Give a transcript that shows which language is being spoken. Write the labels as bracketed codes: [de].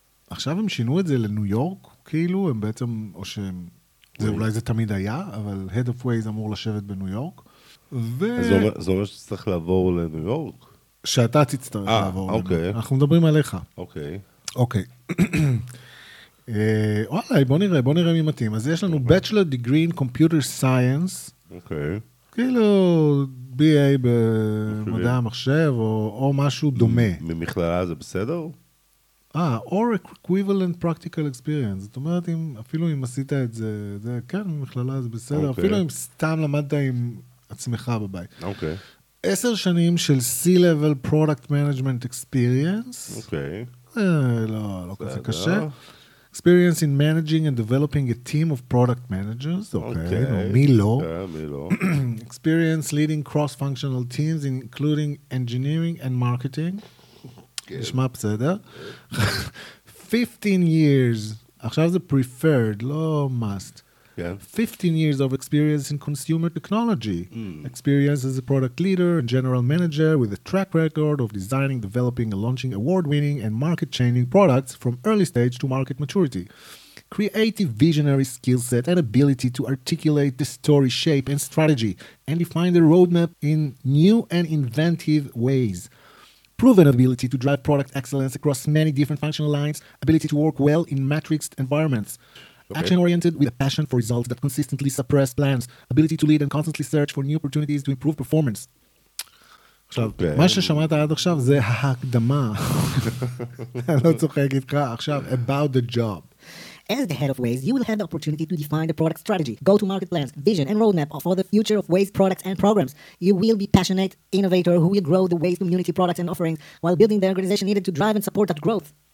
[he] עכשיו הם שינו את זה לניו יורק, כאילו, הם בעצם, או שהם, זה, אולי זה תמיד היה, אבל [en] Head of Waze [he] אמור לשבת בניו יורק. זה אומר שצריך לעבור לניו יורק? שאתה תצטרך לעבור. אוקיי. למה. אנחנו מדברים עליך. אוקיי. אוקיי. אולי, בוא נראה, בוא נראה מי מתאים. אז יש לנו אוקיי. [en] Bachelor Degree in Computer Science. [he] אוקיי. כאילו, BA במדעי המחשב, או משהו דומה. ממכללה זה בסדר? [en] Or equivalent practical experience. [he] זאת אומרת, אפילו אם עשית את זה, זה כן, ממכללה זה בסדר, אוקיי. אפילו אם סתם למדת עם עצמך בבית. אוקיי. 10 שנים של [en] C-Level Product Management Experience. [he] אוקיי. לא כזה קשה. [en] Experience in managing and developing a team of product managers. [he] אוקיי. מי לא? מי לא? [en] Experience leading cross-functional teams, including engineering and marketing. [he] נשמע בסדר. [en] 15 years. [he] עכשיו זה preferred, לא must. [en] Yeah. 15 years of experience in consumer technology. Mm. Experience as a product leader and general manager with a track record of designing, developing, and launching award-winning and market-changing products from early stage to market maturity. Creative visionary skill set and ability to articulate the story, shape, and strategy and define the roadmap in new and inventive ways. Proven ability to drive product excellence across many different functional lines, ability to work well in matrixed environments. Action oriented with a passion for results that consistently suppress plans, ability to lead and constantly search for new opportunities to improve performance. [he] מה ששמעת עד עכשיו זה ההקדמה. אני לא צוחק איתך עכשיו, [en] about the job. As the head of Waze, you will have the opportunity to define the product strategy, go-to-market plans, vision and roadmap for the future of Waze products and programs. You will be a passionate innovator who will grow the Waze community products and offerings while building the organization needed to drive and support that growth.